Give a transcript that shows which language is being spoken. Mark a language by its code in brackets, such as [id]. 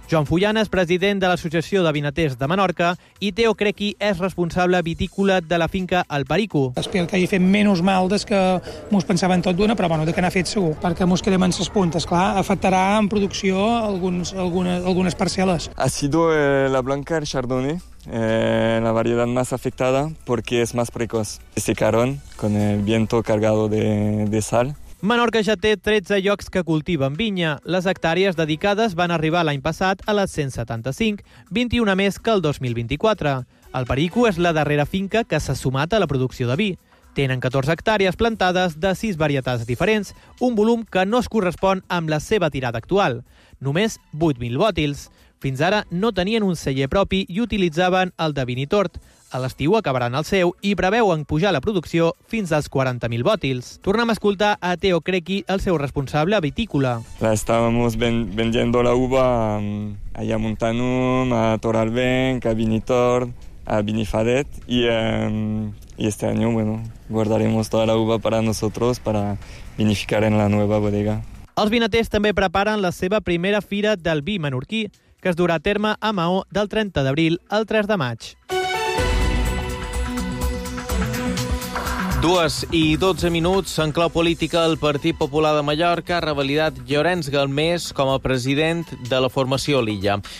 [ca] Joan Fullana és president de l'Associació de Vinaters de Menorca i Teo Crequi és responsable vitícola de la finca El Perico. Espero que hagi fet menys mal des que mos pensaven tot d'una, però bueno, de que n'ha fet segur, perquè mos cremen ses puntes, clar, afectarà en producció algunes parcel·les. [es] Ha sido la blanca el chardonnay. La variedad más afectada porque es más precoz. Este carón con el viento cargado de sal. [ca] Menorca ja té 13 llocs que cultiven vinya. Les hectàrees dedicades van arribar l'any passat a les 175, 21 més que el 2024. El Perico és la darrera finca que s'ha sumat a la producció de vi. Tenen 14 hectàrees plantades de 6 varietats diferents, un volum que no es correspon amb la seva tirada actual. Només 8.000 bòtils. Fins ara no tenien un celler propi i utilitzaven el de Vinitort. A l'estiu acabaran el seu i preveuen pujar la producció fins als 40.000 bòtils. Tornem a escoltar a Teo Crequi, el seu responsable a vitícola. [es] La estábamos vendiendo la uva allá a Montanum, a Toralbenc, a Vinitort, a Vinifadet y este año, bueno, guardaremos toda la uva para nosotros para vinificar en la nueva bodega. [ca] Els vinaters també preparen la seva primera fira del vi menorquí, que es durà a terme a Maó del 30 d'abril al 3 de maig. 2:12. En clau política, el Partit Popular de Mallorca ha revalidat Llorenç Galmés com a president de la formació a l'illa.